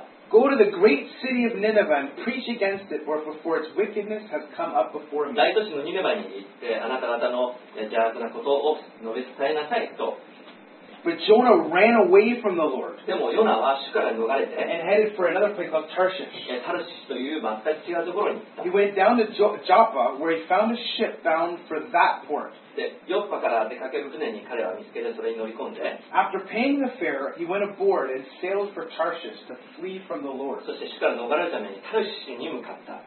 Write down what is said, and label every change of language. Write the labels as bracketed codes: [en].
[en] Go to the great city of Nineveh and preach against it, for its wickedness has come up before me. [ja] 大都市のニネバに行って、あなた方の邪悪なことを述べ伝えなさいと。 [en] But Jonah ran away from the Lord. [ja] でもヨナは主から逃れて、 [en] and headed for another place called Tarshish. [ja] タルシシという全く違うところに行った。 [en] He went down to Joppa, where he found a ship bound for that port. [ja] でヨッパから出かける船に彼は見つけてそれに乗り込んで、 [en] after paying the fare, he went aboard and sailed for Tarshish to flee from the Lord. [ja] そして主から逃れるためにタルシシに向かった。